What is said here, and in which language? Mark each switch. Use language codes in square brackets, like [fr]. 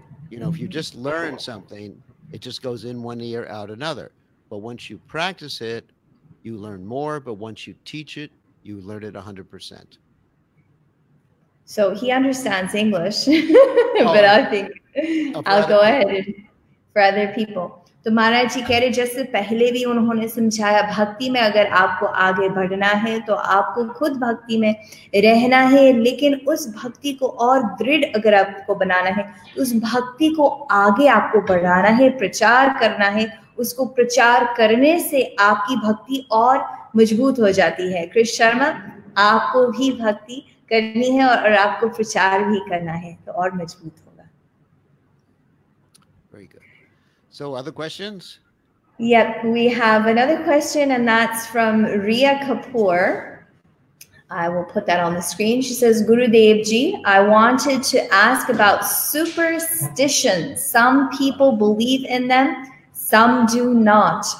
[en] You know, if you just learn something, it just goes in one ear, out another. But once you practice it, you learn more. But once you teach it, you learn it 100%. So he understands English, but I think I'll go ahead and, for other people. [hi] तो महाराज जी कह रहे, जैसे पहले भी उन्होंने समझाया, भक्ति में अगर आपको आगे बढ़ना है तो आपको खुद भक्ति में रहना है, लेकिन उस भक्ति को और दृढ़ अगर आपको बनाना है, उस भक्ति को आगे आपको बढ़ाना है, प्रचार करना है, उसको प्रचार करने से आपकी भक्ति और मजबूत हो जाती है। क्रिश शर्मा, आपको भी भक्ति करनी है और आपको प्रचार भी करना है, तो और मजबूत होगा। [en] Very good. So other questions? Yep, we have another question, and that's from Ria Kapoor. I will put that on the screen. She says, Gurudev Ji, I wanted to ask about superstitions. Some people believe in them, some do not.